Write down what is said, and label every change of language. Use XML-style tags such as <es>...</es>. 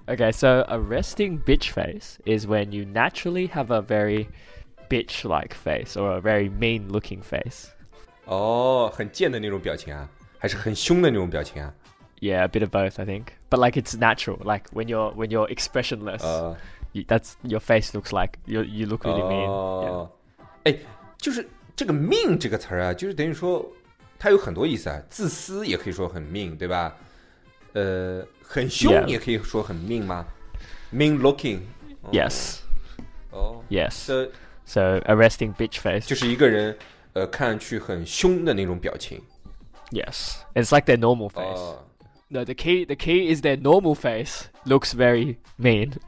<en>Okay, so a resting bitch face is when you naturally have a very bitch-like face or a very mean-looking face.</en> <zh>Oh, 很贱的那种表情啊，还是很凶的那种表情啊？</zh> <en>Yeah, a bit of both, I think. But like, it's natural. Like when you're expressionless, that's your face looks like you look really mean.</en> <zh>哎，就是这个 mean 这个词儿啊，就是等于说它有很多意思啊。自私也可以说很 mean, 对吧？很凶也可以说很 mean 吗 ？Mean looking.</zh> <en>Yes. Oh. Yes. So a resting bitch face.</en> <zh>就是一个人，看上去很凶的那种表情。</zh> <en>Yes, it's like their normal face. No, the key is their normal face looks very mean.</en>